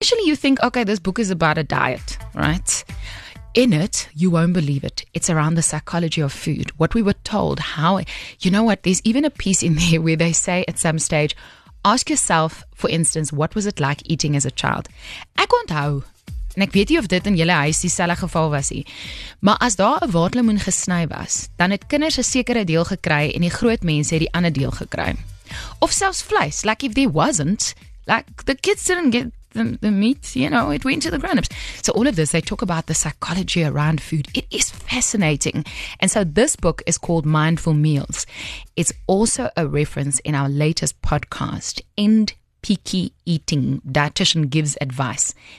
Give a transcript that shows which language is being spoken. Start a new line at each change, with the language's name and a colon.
English: initially you think, okay, this book is about a diet, right? In it, you won't believe it. It's around the psychology of food. What we were told, how, you know what? There's even a piece in there where they say at some stage, ask yourself, for instance, what was it like eating as a child?
Afrikaans: Ek onthou, en ek weet nie of dit in julle huis dieselfde geval was nie, maar as daar 'n waterlemoen gesny was, dan het kinders 'n sekere deel gekry en die groot mense het die ander deel gekry. Of selfs vleis,
English: like if there wasn't, like the kids didn't get the meat, you know, it went to the grown-ups. So all of this, they talk about the psychology around food. It is fascinating. And so this book is called Mindful Meals. It's also a reference in our latest podcast, End Picky Eating, Dietitian Gives Advice.